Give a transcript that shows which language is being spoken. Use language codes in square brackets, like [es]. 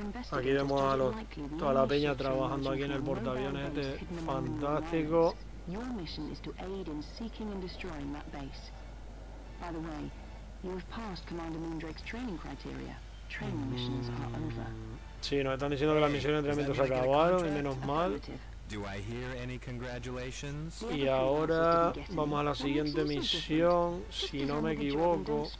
[es] Aquí vemos a toda la peña trabajando aquí en el portaaviones este. Fantástico. [en] Your mission is to aid in seeking and destroying that base. By the way, you have passed Commander Moondrake's training criteria. Training missions are over. [es] Sí, nos están diciendo que las misiones de entrenamiento se acabaron y menos mal. [en] Do I hear any congratulations? [es] Y ahora vamos a la siguiente misión, si no me equivoco.